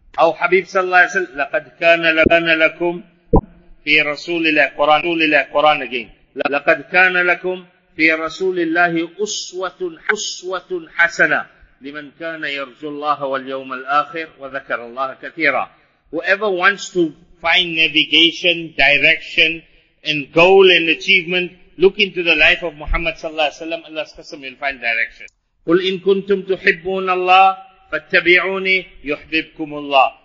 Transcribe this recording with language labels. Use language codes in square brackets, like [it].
[ar] أو حبيب صلى الله عليه وسلم لقد كان لكم في رسول الله قرآن [en] again. [ar] لقد كان لكم في رسول الله أسوة حسنة لمن كان يرجو الله واليوم الآخر وذكر الله كثيرا. [en] Whoever wants to find navigation, direction, and goal and achievement, look into the life of Muhammad صلى الله عليه وسلم. Allah's Qasam, you'll find direction. [ar] قل إن كنتم تحبون الله فاتبعوني يحببكم الله.